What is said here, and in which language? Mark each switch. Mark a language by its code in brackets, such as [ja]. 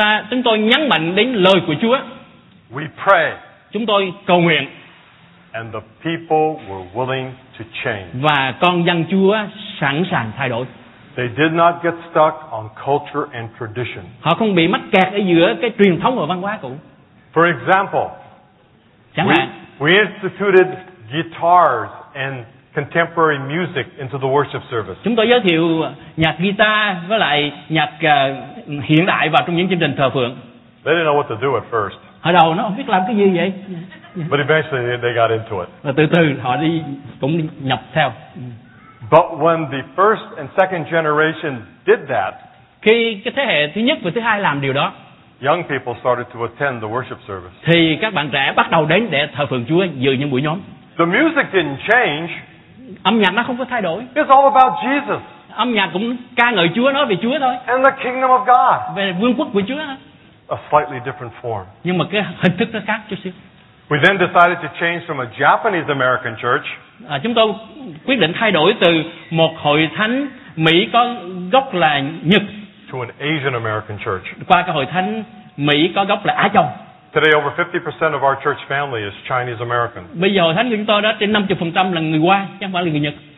[vi] Chúng tôi nhấn mạnh đến lời của Chúa. [en] We pray. [vi] Chúng tôi cầu nguyện. [en] And the people were willing to change. [vi] Và con dân Chúa sẵn sàng thay đổi. [en] They did not get stuck on culture and tradition. [vi] Họ không bị mắc kẹt ở giữa cái truyền thống và văn hóa cũ. [en] For example, we instituted guitars and contemporary music into the worship service. [vi] Chúng tôi giới thiệu nhạc guitar với lại nhạc hiện đại vào trong những chương trình thờ phượng. [en] They didn't know what to do at first. [vi] Hồi đầu nó không biết làm cái gì vậy. [en] But eventually they got into it. [vi] Và từ từ họ đi cũng nhập theo. [en] But when the first and second generation did that, [vi] khi cái thế hệ thứ nhất và thứ hai làm điều đó, [en] young people started to attend the worship service. [vi] Thì các bạn trẻ bắt đầu đến để thờ phượng Chúa dự những buổi nhóm. [en] The music didn't change. [vi] Âm nhạc nó không có thay đổi. [en] It's all about Jesus. [vi] Âm nhạc cũng ca ngợi Chúa, nói về Chúa thôi. [en] And the kingdom of God. [vi] Về vương quốc của Chúa. [en] A slightly different form. [vi] Nhưng mà cái hình thức nó khác chút xíu. [en] We then decided to change from a Japanese American church. [vi] Chúng tôi quyết định thay đổi từ một hội thánh Mỹ có gốc là Nhật. [en] To an Asian American church. [vi] Qua cái hội thánh Mỹ có gốc là Á Châu. [en] Today over 50% of our church family is Chinese American. [vi] Bây giờ thánh chúng tôi đó trên 50% là người Hoa, chứ không phải là người Nhật.